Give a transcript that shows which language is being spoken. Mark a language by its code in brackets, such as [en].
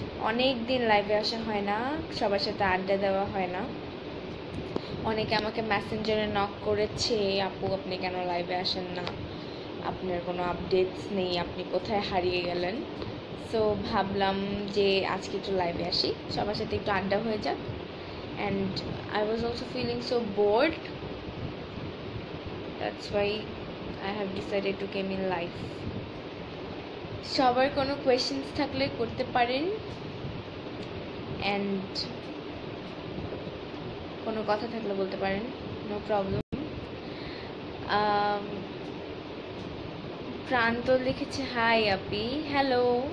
[bn] অনেক দিন লাইভে আসা হয় না, সবার সাথে আড্ডা দেওয়া হয় না। অনেকে আমাকে মেসেঞ্জারে নক করেছে, আপু আপনি কেন লাইভে আসেন না, আপনার কোনো আপডেটস নেই, আপনি কোথায় হারিয়ে গেলেন। সো ভাবলাম যে আজকে একটু লাইভে আসি, সবার সাথে একটু আড্ডা হয়ে যাক। [en] And I was also feeling so bored. That's why I have decided to come in life. [bn] সবার কোনো questions থাকলে করতে পারেন, and কোনো কথা থাকলে বলতে পারেন, [en] no problem. [bn] প্রান্ত লিখেছে হাই আপি, হ্যালো।